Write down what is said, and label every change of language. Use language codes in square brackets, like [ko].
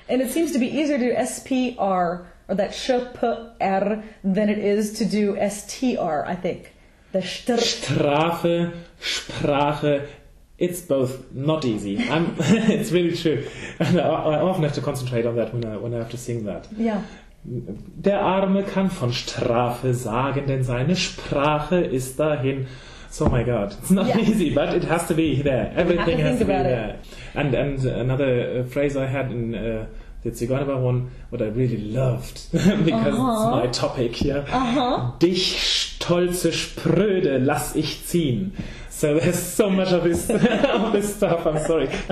[en] And it seems to be easier to do S-P-R, or that sh-p-r, than it is to do S-T-R, I think. The str- Strafe, Sprache, it's both not easy. I'm, it's really true. And I often have to concentrate on that when I have to sing that. Yeah. [de] Der Arme kann von Strafe sagen, denn seine Sprache ist dahin. [en] So my God, it's not yes. easy, but it has to be there. Everything has to be it. There. And another phrase I had in the Zigeunerbar one, what I really loved, because uh-huh. it's my topic here. Uh-huh. [de] Dich stolze Spröde lass ich ziehen. [en] So there's so much of this of this stuff, I'm sorry.